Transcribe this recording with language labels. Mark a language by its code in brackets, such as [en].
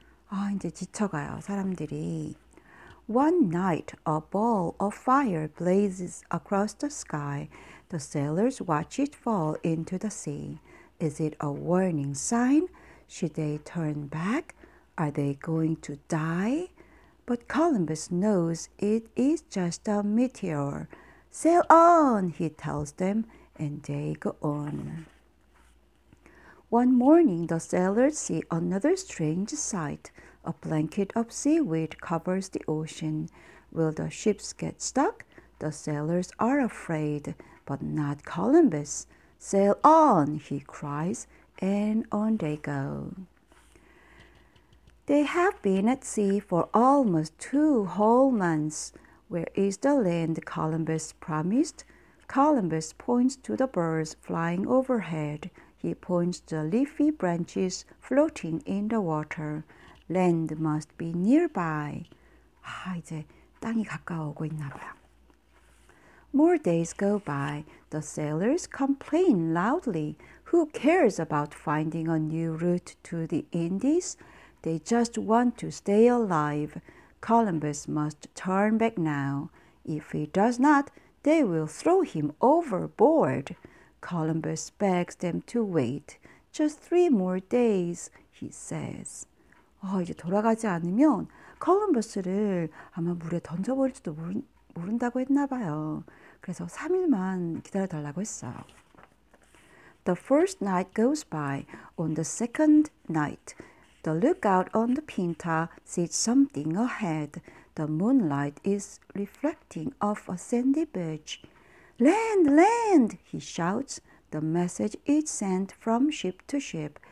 [ko] 아, 이제 지쳐가요, 사람들이. [en] One night, a ball of fire blazes across the sky. The sailors watch it fall into the sea. Is it a warning sign? Should they turn back? Are they going to die? But Columbus knows it is just a meteor. Sail on, he tells them, and they go on. One morning, the sailors see another strange sight. A blanket of seaweed covers the ocean. Will the ships get stuck? The sailors are afraid, but not Columbus. Sail on, he cries, and on they go. They have been at sea for almost 2 whole months. Where is the land Columbus promised? Columbus points to the birds flying overhead. He points to leafy branches floating in the water. Land must be nearby. [ko] 아, 이제 땅이 가까워오고 있나 봐요. [en] More days go by. The sailors complain loudly. Who cares about finding a new route to the Indies? They just want to stay alive. Columbus must turn back now. If he does not, they will throw him overboard. Columbus begs them to wait. Just 3 more days, he says. [ko] 이제 돌아가지 않으면 콜럼버스를 아마 물에 던져버릴지도 모른다고 했나 봐요. 그래서 3일만 기다려달라고 했어요. [en] The first night goes by. On the second night, the lookout on the Pinta sees something ahead. The moonlight is reflecting off a sandy beach. Land, land, he shouts. The message is sent from ship to ship.